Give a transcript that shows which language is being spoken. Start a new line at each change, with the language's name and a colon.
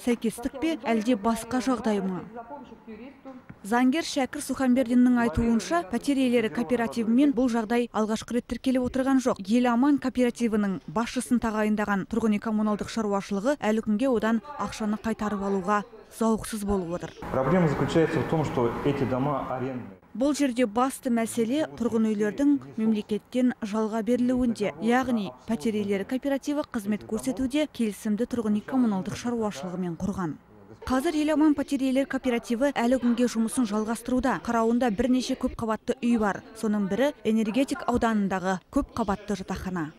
Kazakh: Сәйкестік пе, әлде басқа жағдай ма? Заңгер Шәкір Суханбердиннің айтуынша, пәтер иелері кооперативімен бұл жағдай алғашқы рет тіркеліп отырған жоқ. Еламан кооперативінің басшысын тағайындаған тұрғын үй коммуналдық шаруашылығы әлі күнге одан ақшаны қайтарып алуға зауықсыз болып отыр.
Russian: Проблема заключается в том, что эти дома арендные.
Kazakh: Бұл жерде басты мәселе тұрғын үйлердің мемлекеттен жалға берілуінде, яғни пәтер иелері кооперативі қызмет көрсетуде келісімді тұрғын үй коммуналдық шаруашылығымен құрған. Қазір Еламан пәтерелер кооперативі әлі күнге жұмысын жалғастыруда. Қарауында бірнеше көп қабатты үй бар. Соның бірі энергетик ауданындағы көп қабатты жатақхана.